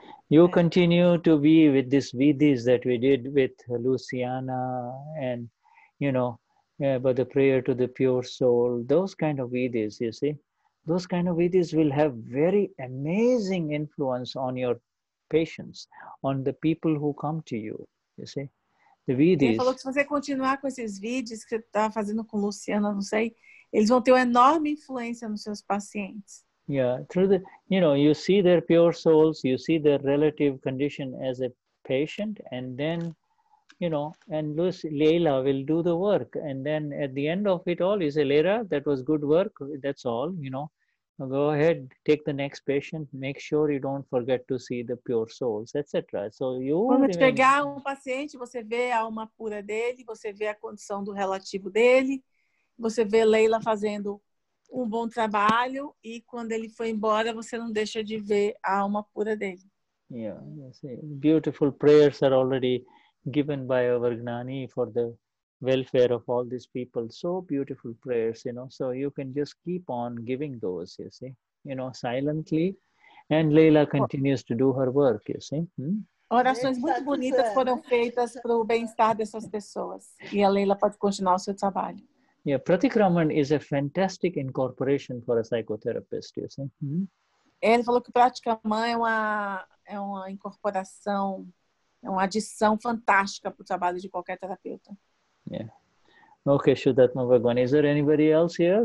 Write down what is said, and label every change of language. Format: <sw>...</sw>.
<en>You continue to be with this vidis that we did with Luciana and, you know, but the prayer to the pure soul, those kind of vidis, you see, those kind of vidis will have very amazing influence on your patients, on the people who come to you, you see. The vidis.</en> <pt>Ele falou que se você continuar com esses vidis que você tá fazendo com Luciana, não sei, eles vão ter uma enorme influência nos seus pacientes.</pt> <en>Yeah, through the, you know, you see their pure souls, you see their relative condition as a patient, and then, you know, and Leila will do the work. And then at the end of it all, you say, Leila, that was good work, that's all, you know. Now go ahead, take the next patient, make sure you don't forget to see the pure souls, etc. So you...</en> <pt>Quando remain... pegar um paciente, você vê a alma pura dele, você vê a condição do relativo dele, você vê Leila fazendo... um bom trabalho, e quando ele foi embora, você não deixa de ver a alma pura dele.</pt> <en>Beautiful prayers are already given by our Gnani for the welfare of all these people. So beautiful prayers, you know. So you can just keep on giving those, you see. You know, silently. And Leila continues to do her work, you see.</en> <pt>Orações muito bonitas foram feitas para o bem-estar dessas pessoas. E a Leila pode continuar o seu trabalho.</pt> <en>Yeah, pratikraman is a fantastic incorporation for a psychotherapist, you see.</en> <pt>Ele falou que pratikraman é uma incorporação, é uma adição fantástica para o trabalho de qualquer terapeuta.</pt> <en>Yeah. Okay, Shudatma Bhagwan, is there anybody else here?</en>